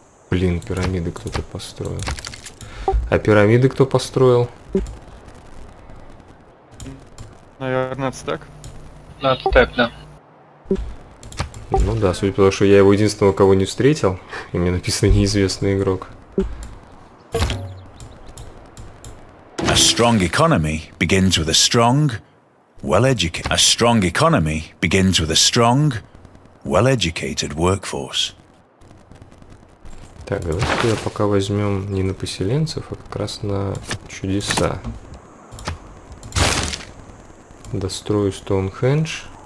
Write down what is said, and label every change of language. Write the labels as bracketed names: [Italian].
[Russian] Блин, пирамиды кто-то построил. А пирамиды кто построил? Наверное, ацтек. Ацтек, да. Ну да, судя по тому, что я его единственного, кого не встретил, и мне написано неизвестный игрок. [English] A strong economy begins with a strong, well-educated... A strong economy begins with a strong, well-educated workforce. [Russian] Так, давайте я пока возьмем не на поселенцев, а как раз на чудеса. Дострою Стоунхендж.